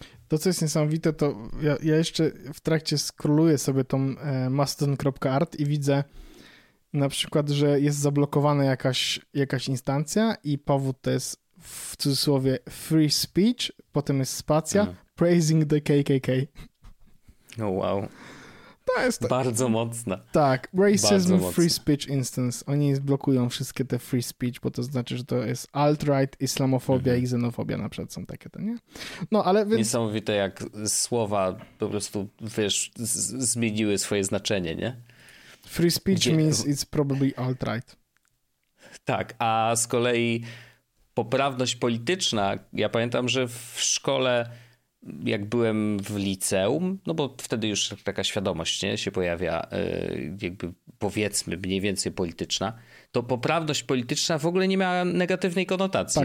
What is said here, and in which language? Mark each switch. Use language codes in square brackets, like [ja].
[pl] To, co jest niesamowite, to ja jeszcze w trakcie skróluję sobie tą mastodon.art i widzę na przykład, że jest zablokowana jakaś instancja i powód to jest w cudzysłowie free speech, potem jest spacja, [en] praising the KKK. Oh, wow. [pl] To jest bardzo mocne. [en] Tak, racism free speech instance. [pl] Oni blokują wszystkie te free speech, bo to znaczy, że to jest alt-right, islamofobia i xenofobia na przykład są takie, to nie? No, ale więc... Niesamowite, jak słowa po prostu, wiesz, zmieniły swoje znaczenie, nie? [en] Free speech means it's probably alt-right. [pl] Tak, a z kolei poprawność polityczna, ja pamiętam, że w szkole, jak byłem w liceum, no bo wtedy już taka świadomość, nie, się pojawia, jakby powiedzmy mniej więcej polityczna, to poprawność polityczna w ogóle nie miała negatywnej konotacji.